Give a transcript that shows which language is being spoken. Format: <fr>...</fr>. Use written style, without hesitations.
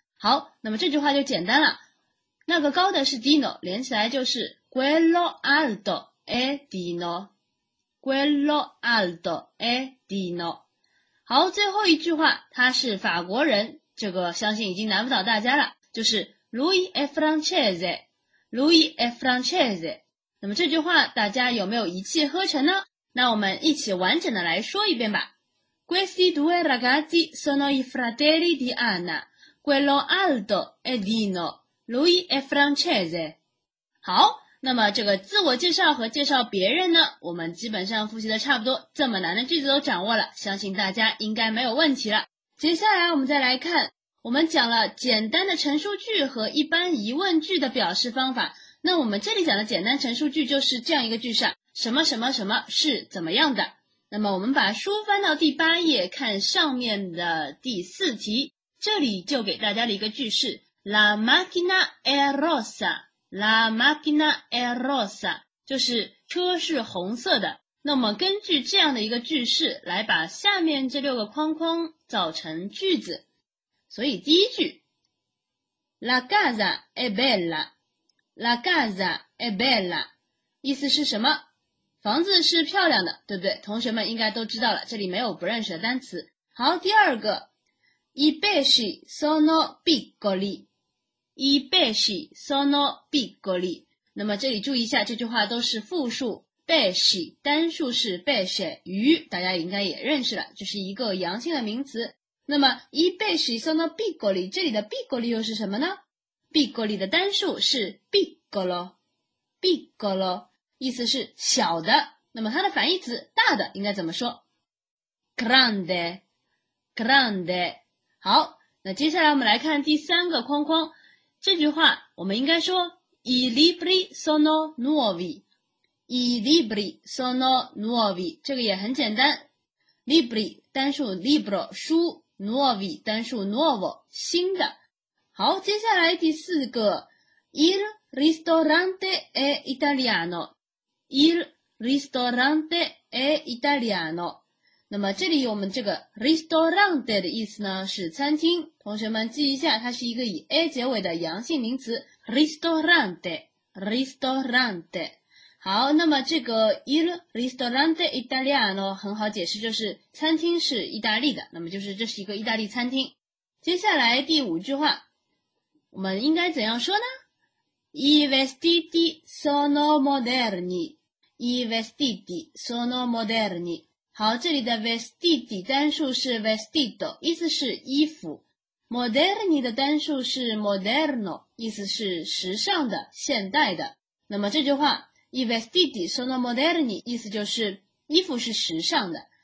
<zh>好，那么这句话就简单了，那个高的是 Dino， 连起来就是</zh> <it>quello alto è Dino，</it> <zh>quello alto è Dino。好，最后一句话，他是法国人，这个相信已经难不倒大家了，就是</zh> <it>lui è francese， lui è francese。</it> <zh>那么这句话大家有没有一气呵成呢？那我们一起完整的来说一遍吧。</zh> <it>Questi due ragazzi sono i fratelli di Anna， quello alto è Dino， lui è francese。</it> <zh>好，那么这个自我介绍和介绍别人呢，我们基本上复习的差不多，这么难的句子都掌握了，相信大家应该没有问题了。接下来我们再来看，我们讲了简单的陈述句和一般疑问句的表示方法。那我们这里讲的简单陈述句就是这样一个句式，什么什么什么是怎么样的。那么我们把书翻到第八页，看上面的第四题，这里就给大家的一个句式，</zh> <it>La macchina è rossa，</it> <zh>La macchina è rossa， 就是车是红色的。那我们根据这样的一个句式来把下面这六个框框造成句子。所以第一句，</zh> <it>La casa è bella，La casa è bella，</it> <zh>意思是什么？房子是漂亮的，对不对？同学们应该都知道了，这里没有不认识的单词。好，第二个，</zh> <it>I pesci sono piccoli，</it> <zh>I pesci sono piccoli。 那么这里注意一下，这句话都是复数，贝西单数是贝西鱼，大家应该也认识了，这是一个阳性的名词。那么一贝西索诺比格里，这里的比格里又是什么呢？比格里的单数是比格罗，比格罗意思是小的。那么它的反义词大的应该怎么说？</zh> <it>grande grande。</it> <zh>好，那接下来我们来看第三个框框，这句话我们应该说</zh> <it>i libri sono nuovi。 I libri sono nuovi，</it> <zh>这个也很简单。 Libri 单数 libro 书， nuovi 单数 nuovo 新的。好，接下来第四个</zh> <it>，Il ristorante è italiano。 Il ristorante è italiano。</it> <zh>那么这里我们这个 ristorante 的意思呢是餐厅，同学们记一下，它是一个以 a 结尾的阳性名词 ，ristorante，ristorante。</zh> <it>Ristorante, ristorante。</it> <zh>好，那么这个</zh> <it>il ristorante italiano</it> <zh>很好解释，就是餐厅是意大利的，那么就是这是一个意大利餐厅。接下来第五句话，我们应该怎样说呢？</zh> <it>i vestiti sono moderni， i vestiti sono moderni。</it> <zh>好，这里的 vestiti 单数是 vestito， 意思是衣服。 moderni 的单数是 moderno， 意思是时尚的，现代的。那么这句话</zh> <it>I vestiti sono moderni，</it> <zh>意思就是衣服是时尚的。</zh>